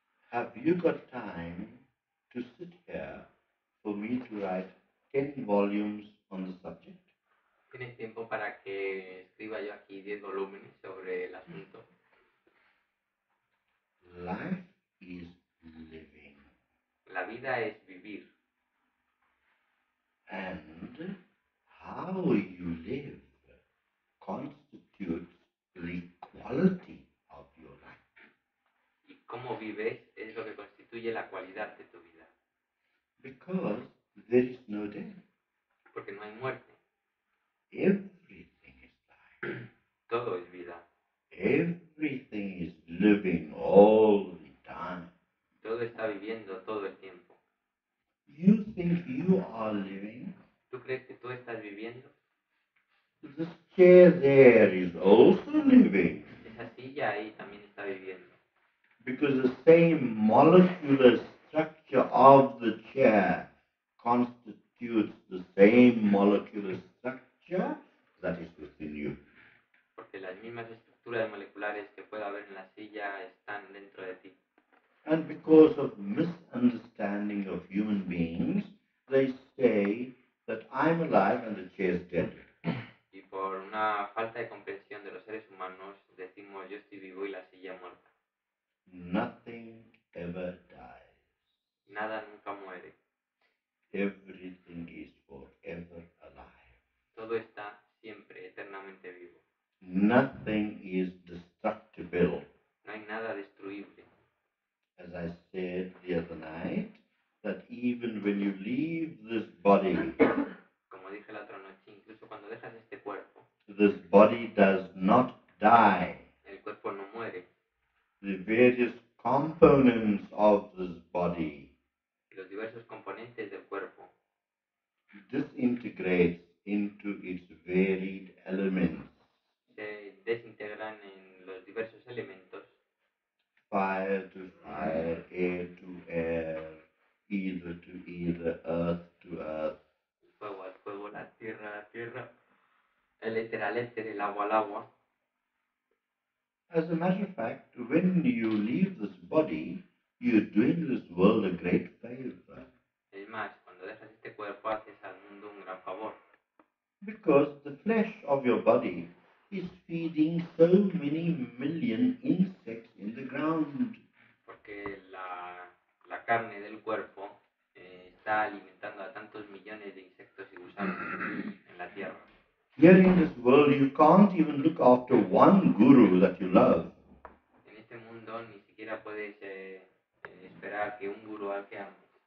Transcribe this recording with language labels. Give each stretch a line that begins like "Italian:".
English: Have you got time to sit here for me to write 10 volumes on the subject?
Spanish: ¿Tienes tiempo para que escriba yo aquí 10 volúmenes sobre el asunto?
English: Life is living.
Spanish: La vida es vivir.
English: And how you live constitutes the quality of your life.
Spanish: Y cómo vives es lo que constituye la cualidad de tu vida.
English: Because there is no death.
Spanish: Porque no hay muerte.
English: Everything is life.
Spanish: Todo es vida.
English: Everything is living all the time.
Spanish: Todo está viviendo todo el tiempo.
English: You think you are living?
Spanish: ¿Tú crees que tú estás viviendo?
English: The chair there is also living.
Spanish: Esa silla ahí también está viviendo.
English: Because the same molecular structure of the chair constitutes the same molecular structure that is within you.
Spanish: Porque las mismas estructuras moleculares que pueda haber en la silla están dentro de ti.
English: And because of misunderstanding of human beings, they say that I'm alive and the chair is dead.
Spanish: Y por una falta de comprensión de los seres humanos, decimos yo estoy vivo y la silla muerta.
English: Nothing ever dies.
Spanish: Nada nunca muere.
English: Everything is forever alive.
Spanish: Todo está siempre, eternamente vivo.
English: Nothing is destructible.
Spanish: No hay nada destruible.
English: As I said the other night, that even when you leave this body,
Spanish: como dije la otra noche, incluso cuando dejas este cuerpo,
English: this body does not die.
Spanish: El cuerpo no muere.
English: The various components of this body,
Spanish: los diversos componentes del cuerpo,
English: disintegrates into its varied elements.
Spanish: Se desintegran en los diversos elementos.
English: Fire to fire, air to air, ether to ether, earth to earth.
Spanish: Fuego al fuego, la tierra a la tierra, el éter al éter, el agua al agua.
English: As a matter of fact, when you leave this body, you're doing this world a great favor.
Spanish: Es más, cuando dejas este cuerpo, haces al mundo un gran favor.
English: Because the flesh of your body is feeding so many million insects in the ground.
Spanish: Porque la carne del cuerpo está alimentando a tantos millones de insectos y gusanos en la tierra.
English: Here in this world you can't even look after one guru that you love.
Spanish: En este mundo ni siquiera puedes esperar que un guru al que ames.